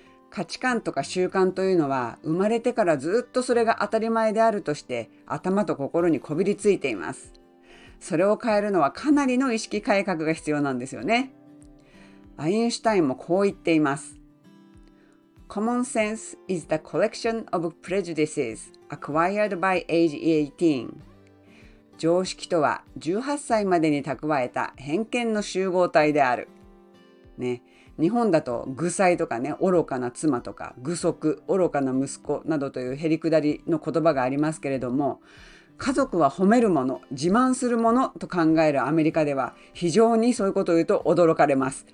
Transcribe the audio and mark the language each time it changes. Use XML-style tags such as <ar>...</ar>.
<ja>価値観とか習慣というのは、生まれてからずっとそれが当たり前であるとして、頭と心にこびりついています。それを変えるのはかなりの意識改革が必要なんですよね。アインシュタインもこう言っています。</ja> <en>Common sense is the collection of prejudices acquired by age 18.</en> <ja>常識とは18歳までに蓄えた偏見の集合体である。ね、日本だと愚妻とかね、愚かな妻とか、愚足、愚かな息子などというへりくだりの言葉がありますけれども、家族は褒めるもの、自慢するものと考えるアメリカでは、非常にそういうことを言うと驚かれます。</ja>